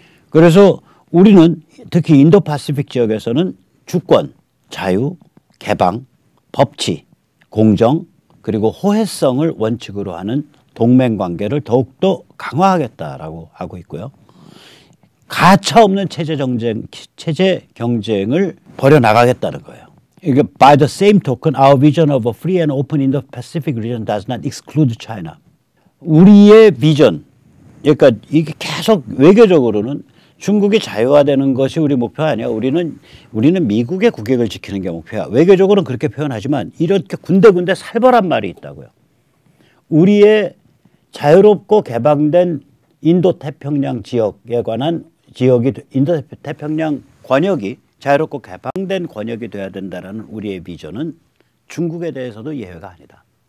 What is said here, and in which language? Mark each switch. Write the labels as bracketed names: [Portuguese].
[Korean] 그래서 우리는 특히 인도 파시픽 지역에서는 주권, 자유, 개방, 법치, 공정, 그리고 호혜성을 원칙으로 하는 동맹관계를 더욱더 강화하겠다라고 하고 있고요. 가차없는 체제 경쟁을 벌여나가겠다는 거예요. [English] By the same token, our vision of a free and open Indo-Pacific region does not exclude China. [Korean] 우리의 비전, 그러니까 이게 계속 외교적으로는 중국이 자유화되는 것이 우리 목표 아니야. 우리는 미국의 국익을 지키는 게 목표야. 외교적으로는 그렇게 표현하지만 이렇게 군데군데 살벌한 말이 있다고요. 우리의 자유롭고 개방된 인도태평양 지역에 관한 지역이 인도태평양 권역이 자유롭고 개방된 권역이 되어야 된다는 우리의 비전은 중국에 대해서도 예외가 아니다.